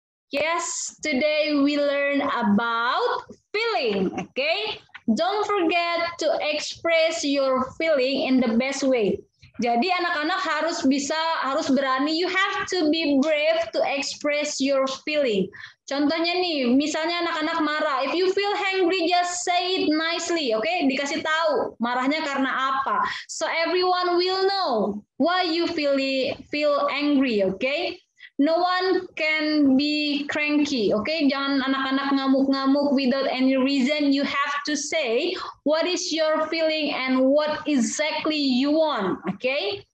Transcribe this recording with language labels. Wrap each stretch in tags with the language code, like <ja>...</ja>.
<en>Yes, today we learn about feeling, okay? Don't forget to express your feeling in the best way.</en> <id>Jadi anak-anak harus bisa, harus berani.</id> <en>You have to be brave to express your feeling.</en> <id>Contohnya nih, misalnya anak-anak marah.</id> <en>If you feel angry, just say it nicely, okay?</en> <id>Dikasih tahu marahnya karena apa.</id> <en>So everyone will know why you feel angry, okay? No one can be cranky, okay?</en> <id>Jangan anak-anak ngamuk-ngamuk</id> <en>without any reason. You have to say what is your feeling and what exactly you want, okay?</en>